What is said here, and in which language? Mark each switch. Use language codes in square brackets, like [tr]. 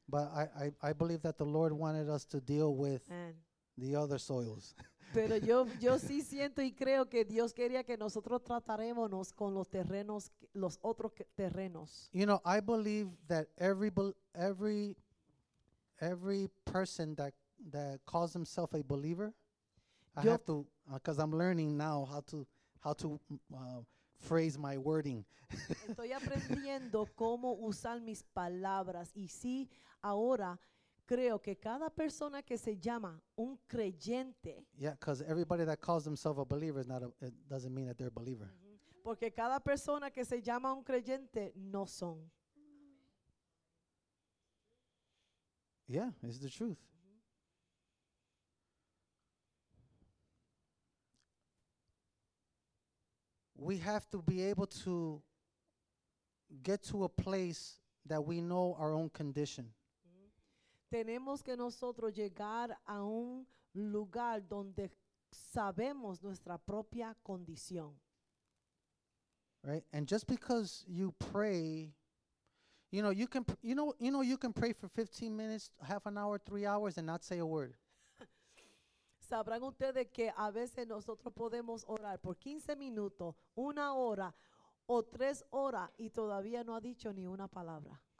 [en] But I believe that the Lord wanted us to deal with the other soils. [es] Pero yo sí siento y creo que Dios quería que nosotros tratáremonos con los terrenos, los otros terrenos. [en] You know, I believe that every person that calls himself a believer, I have to, because I'm learning now how to phrase my wording. [es] Estoy aprendiendo cómo usar mis palabras. Y sí, ahora creo que cada persona que se llama un creyente. [en] Yeah, because everybody that calls themselves a believer it doesn't mean that they're a believer. [es] Porque cada persona que se llama un creyente no son. [en] Yeah, it's the truth. We have to be able to get to a place that we know our own condition. [es] Tenemos que nosotros llegar a un lugar donde sabemos nuestra propia condición. [en] Right? And just because you pray, you can pray for 15 minutes, half an hour, 3 hours and not say a word. [es] Sabrán ustedes que a veces nosotros podemos orar por 15 minutos, una hora o tres horas y todavía no ha dicho ni una palabra.